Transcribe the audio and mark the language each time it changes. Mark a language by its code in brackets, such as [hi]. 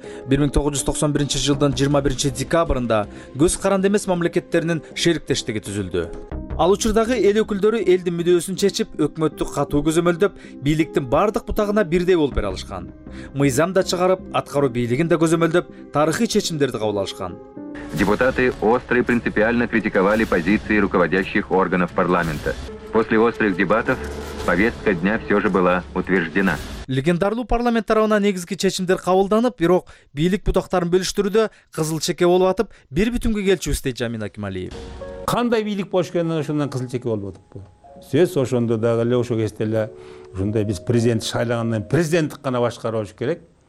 [ky] 1991 жылдын 21 декабрында көз каранды эмес мамлекеттеринин шериктештиги түзүлдү. Ал учурдагы эл өкүлдөрү элдин мүдөөсүн чечип, өкмөттү катуу көзөмөлдөп, бийликтин бардык бутагына бирдей болуп бере алышкан. Мыйзам да чыгарып, аткаруу бийлигин да көзөмөлдөп, тарыхый чечимдерди кабыл алышкан. [ru] Депутаты остро и принципиально критиковали позиции руководящих органов парламента. После острых дебатов повестка дня все же была утверждена. [ky] Легендарлуу парламент тарабынан негизги чечимдер кабылданып, бирок бийлик бутактарын бөлүштүрүүдө кызыл чеке болуп атып, бир бүтүнгө келчүбүздей Жамин Акималиев. Кандай бийлик болуш керек, ошондон кызыл чеке болуп атыппы? Сөз ошондо дагы эле ошо кезде эле ушундай биз президент шайлагандан президенттик гана башкарыш керек.